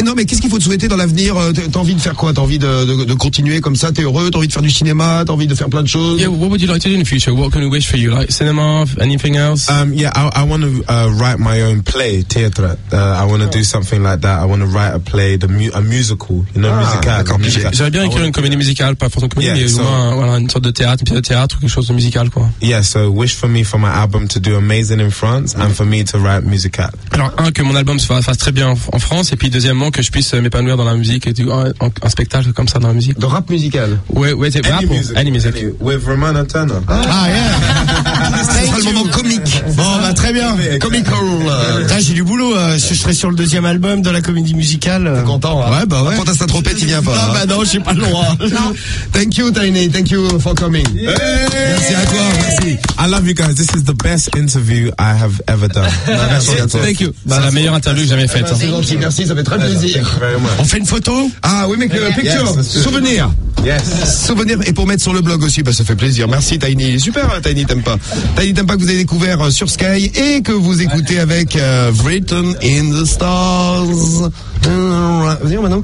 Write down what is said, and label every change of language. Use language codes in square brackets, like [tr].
[fr] Non, mais qu'est-ce qu'il faut te souhaiter dans l'avenir? T'as envie de faire quoi? T'as envie de continuer comme ça? T'es heureux? T'as envie de faire du cinéma? T'as envie de faire plein de choses? [en] Yeah, what would you like to do in the future? What can we wish for you? Like cinema? Anything else? I want to write my own play, theatre. I want to do something like that. I want to write a play, a musical, you know, musical. [fr] J'aimerais bien écrire une comédie musicale, pas forcément comédie, mais au moins voilà, une sorte de théâtre, une pièce de théâtre, quelque chose de musical, quoi. [en] Yeah, so wish for me for my album to do amazing in France and for me to write musical. [fr] Alors, un, que mon album se fasse très bien en France, et puis deuxièmement, que je puisse m'épanouir dans la musique et un spectacle comme ça dans la musique. De rap musical? Ouais, c'est rap ou [en] any music? With Romano Turner. [fr] Ah, yeah! C'est le moment comique. Bon, bah très bien. [en] Comical. [fr] J'ai du boulot. Je serai sur le deuxième album de la comédie musicale. T'es content, hein? Ouais, bah ouais. Quand t'as sa trompette, il vient pas. Non, bah non, j'ai pas le droit. [en] Thank you, Tiny. Thank you for coming. Yeah. [fr] Merci à toi. Merci. [en] I love you guys. This is the best interview I have ever done. [fr] Merci à toi. [en] Thank you. [fr] Bah, la meilleure interview que j'ai jamais faite. C'est gentil. Merci, ça fait très plaisir. On fait une photo? Ah oui, mais [en] picture. Yes, [fr] souvenir. [en] Yes. [fr] Souvenir. Et pour mettre sur le blog aussi, bah ça fait plaisir. Merci, Tiny. Super, Tiny, t'aimes pas. Tiny, t'aimes pas que vous avez découvert sur Sky et que vous écoutez avec Written in the Stars. Vas-y,